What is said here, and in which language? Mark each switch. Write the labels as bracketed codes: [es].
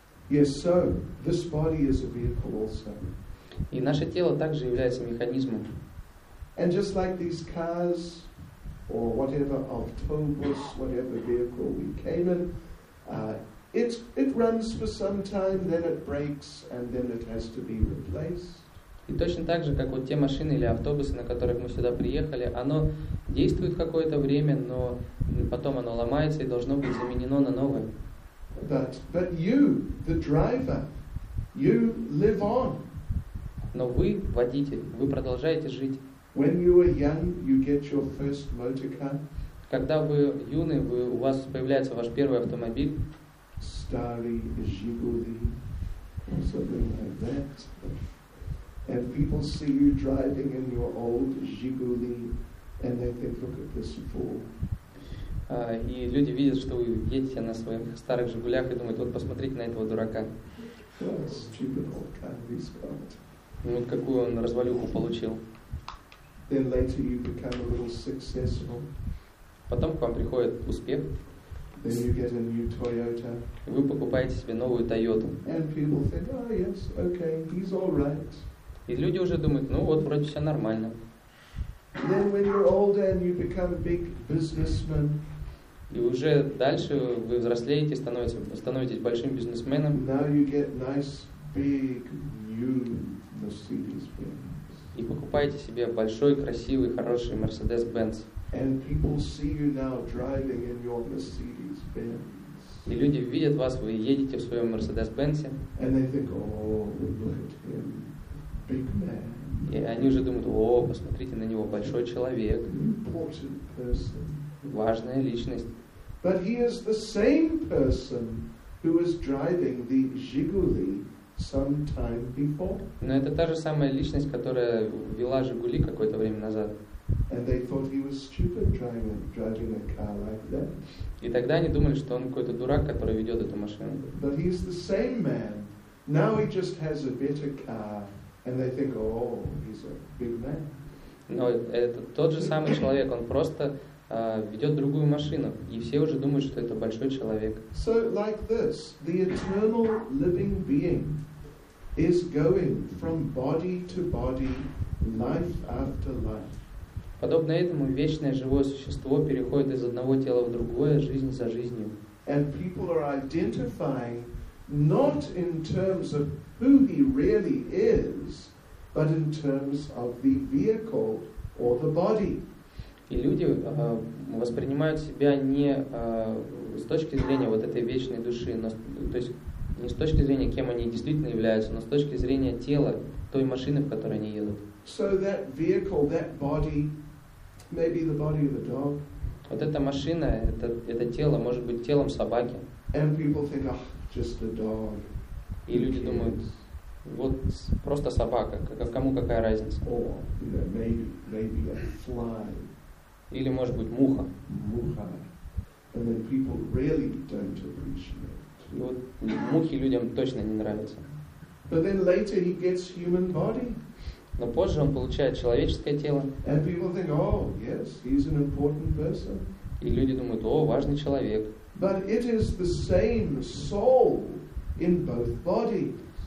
[en] Yes, so this body is a vehicle also. [ru] И наше тело также является механизмом. [en] And just like these cars or whatever autobus, whatever vehicle we came in, it runs for some time, then it breaks, and then it has to be replaced. [ru] И точно так же, как вот те машины или автобусы, на которых мы сюда приехали, оно действует какое-то время, но потом оно ломается и должно быть заменено на новое. [en] But you, the driver, you live on. [ru] Но вы, водитель, вы продолжаете жить. [en] When you were young, you get your first motor car. [ru] Когда вы юны, у вас появляется ваш первый автомобиль. [en] Starry Jiguli, or something like that. And people see you driving in your old Jiguli, and they think, look at this fool. [ru] И люди видят, что вы едете на своих старых Жигулях, и думают, вот посмотрите на этого дурака. Вот какую он развалюху получил. [en] Then later you become a little successful. [ru] Потом к вам приходит успех. [en] Then you get a new Toyota. [ru] И вы покупаете себе новую Toyota. [en] And people think, oh, yes, okay, he's all right. [ru] И люди уже думают, ну вот, вроде все нормально. [en] Then when you're older and you become a big businessman. [ru] И уже дальше вы взрослеете, становитесь большим бизнесменом. [en] Now you get nice, big, new Mercedes-Benz. [ru] И покупаете себе большой, красивый, хороший Mercedes-Benz. [en] And people see you now driving in your Mercedes-Benz. [ru] И люди видят вас, вы едете в своем Mercedes-Benz. [en] And they think, oh, look at him, big man. [ru] И они уже думают, о, посмотрите на него, большой человек. [en] Important person. [ru] Важная личность. [en] But he is the same person who was driving the Жигули some time before. [ru] Но это та же самая личность, которая вела Жигули какое-то время назад. [en] And they thought he was stupid driving a car like that. [ru] И тогда они думали, что он какой-то дурак, который ведет эту машину. [en] But he is the same man. Now he just has a better car, and they think, oh, he's a big man. [ru] Но это тот же самый человек, он просто ведет другую машину, и все уже думают, что это большой человек. [en] So, like this, the eternal living being is going from body to body, life after life. [ru] Подобно этому, вечное живое существо переходит из одного тела в другое, жизнь за жизнью. [en] And people are identifying not in terms of who he really is, but in terms of the vehicle or the body. [ru] И люди воспринимают себя не с точки зрения вот этой вечной души, но, то есть не с точки зрения, кем они действительно являются, но с точки зрения тела, той машины, в которой они едут. [en] So that vehicle, that body, maybe the body of a dog. [ru] Вот эта машина, это тело, может быть телом собаки. [en] And people think, oh, just a dog. [ru] И люди думают, вот просто собака, кому какая разница? [en] Or, you know, maybe a fly. [ru] Или, может быть, муха. [en] Муха. And then people really don't appreciate. [ru] И вот мухи людям точно не нравятся. [en] But then later he gets human body. [ru] Но позже он получает человеческое тело. [en] And people think, oh, yes, he's an important person. [ru] И люди думают, о, важный человек. [en] But it is the same soul in both bodies.